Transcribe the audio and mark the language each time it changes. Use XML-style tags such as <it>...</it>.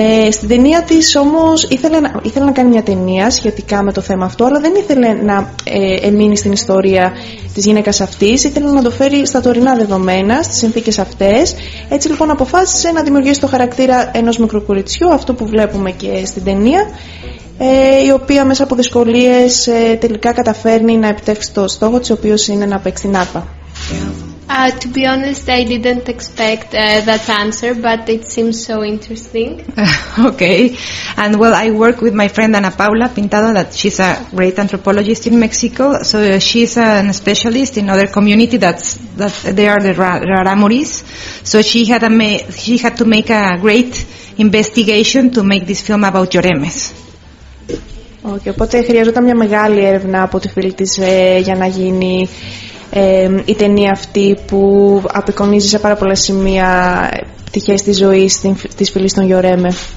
<el>Στην ταινία της όμως ήθελε να κάνει μια ταινία σχετικά με το θέμα αυτό, αλλά δεν ήθελε να εμείνει στην ιστορία της γυναίκας αυτής, ήθελε να το φέρει στα τωρινά δεδομένα, στις συνθήκες αυτές. Έτσι λοιπόν αποφάσισε να δημιουργήσει το χαρακτήρα ενός μικρού κοριτσιού, αυτό που βλέπουμε και στην ταινία, η οποία μέσα από δυσκολίες τελικά καταφέρνει να επιτεύξει το στόχο της, ο οποίος είναι να παίξει την άρπα.</el> <en>To be honest, I didn't expect that answer, but it seems so interesting. Okay. And well, I work with my friend Ana Paula Pintado, that she's a great anthropologist in Mexico. So she's an specialist in other community that they are the Rarámuris. So she had to make a great investigation to make this film about Lloremes.</en> <el>Okay, οπότε χρειαζόταν μια μεγάλη έρευνα από τη φίλη της για να γίνει η ταινία αυτή που απεικονίζει σε πάρα πολλά σημεία πτυχές της ζωής της φίλης των Γιορέμε.</el>